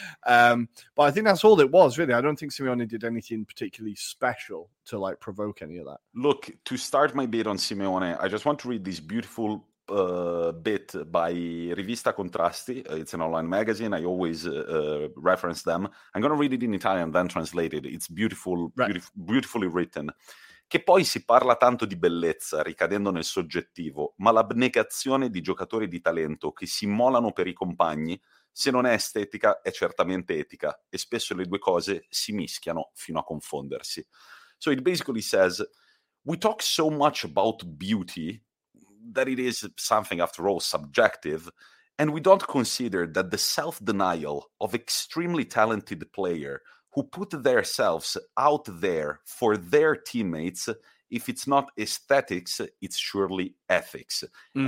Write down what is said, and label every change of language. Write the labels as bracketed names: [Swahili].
[English] But I think that's all it was, really. I don't think Simeone did anything particularly special to like provoke any of that. Look, to start my bit on Simeone, I just want to read this beautiful bit by Rivista Contrasti. It's an online magazine. I always reference them. I'm going to read it in Italian, then translate it. It's beautiful, right. Beautifully written. [Italian] Che poi si parla tanto di bellezza, ricadendo nel soggettivo, ma l'abnegazione di giocatori di talento che si immolano per i compagni, se non è estetica, è certamente etica, e spesso le due cose si mischiano fino a confondersi. [English] So it basically says, we talk so much about beauty that it is something, after all, subjective, and we don't consider that the self-denial of extremely talented player who put themselves out there for their teammates, if it's not aesthetics, it's surely ethics. Mm-hmm.